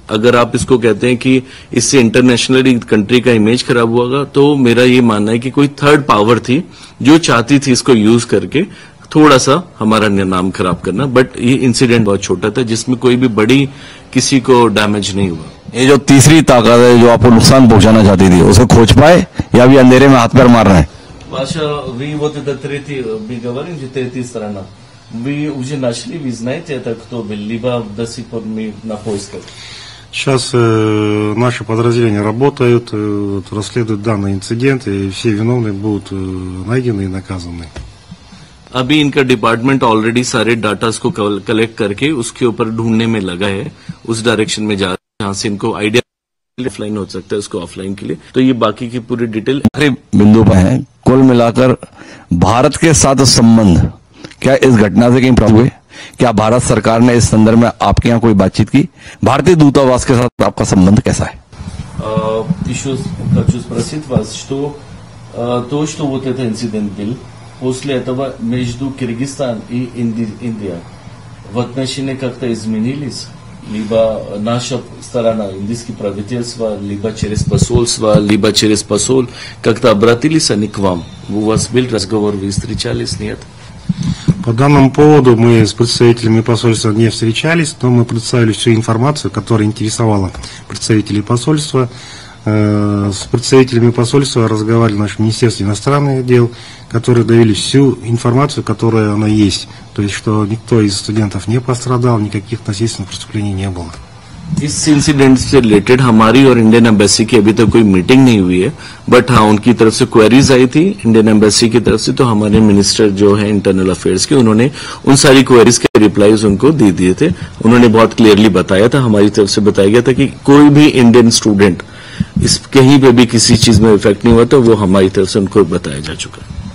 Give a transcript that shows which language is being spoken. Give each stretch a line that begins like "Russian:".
Hindi: अगर आप इसको कहते हैं कि इससे इंटरनेशनली कंट्री का इमेज खराब हुआ, तो मेरा ये मानना है कि कोई थर्ड पावर थी जो चाहती थी इसको यूज करके थोड़ा सा हमारा नाम खराब करना. बट ये इंसिडेंट बहुत छोटा था, जिसमें कोई भी बड़ी किसी को डैमेज नहीं हुआ. ये जो तीसरी ताकत है जो आपको नुकसान पहुंचाना चाहती थी, उसे खोज पाए या अभी अंधेरे में हाथ पैर मार रहे हैं?
Russian: Сейчас наши подразделения работают, расследуют данный инцидент, и все виновные будут найдены и наказаны.
Hindi: अभी इनका डिपार्टमेंट ऑलरेडी सारे डाटा को कलेक्ट करके उसके ऊपर ढूंढने में लगा है, उस डायरेक्शन में जा रहा है जहां से इनको आइडिया ऑफलाइन हो सकता है उसको ऑफलाइन के लिए. तो ये बाकी की पूरी डिटेल आखिरी बिंदु पर है. कुल मिलाकर भारत के साथ संबंध क्या इस घटना से कहीं प्राप्त हुए? क्या भारत सरकार ने इस संदर्भ में आपके यहाँ कोई बातचीत की? भारतीय दूतावास के साथ आपका संबंध कैसा है?
Russian: После этого между Киргизстан и Индия в отношениях как-то изменились? Либо наша сторона, индийское правительство, либо через посольство, либо через посол, как-то обратились они к вам? У вас был разговор, вы встречались, нет? По данному поводу мы с представителями посольства не встречались, но мы представили всю информацию, которая интересовала представителей посольства. С представителями посольства разговаривали в нашем Министерстве иностранных дел, которые давили всю информацию, которая она есть. То есть, что никто из студентов не пострадал, никаких насильственных преступлений не было.
Hindi: इस इंसिडेंट से रिलेटेड हमारी और इंडियन एम्बेसी की अभी तक कोई मीटिंग नहीं हुई है. बट हाँ, उनकी तरफ से क्वेरीज आई थी इंडियन एम्बेसी की तरफ से, तो हमारे मिनिस्टर जो है
English: internal affairs
Hindi: के, उन्होंने उन सारी क्वेरीज के रिप्लाईज उनको दे दिए थे. उन्होंने बहुत क्लियरली बताया था, हमारी तरफ से बताया गया था कि कोई भी इंडियन स्टूडेंट इस कहीं पे भी किसी चीज में इफेक्ट नहीं हुआ, तो वो हमारी तरफ से उनको बताया जा चुका.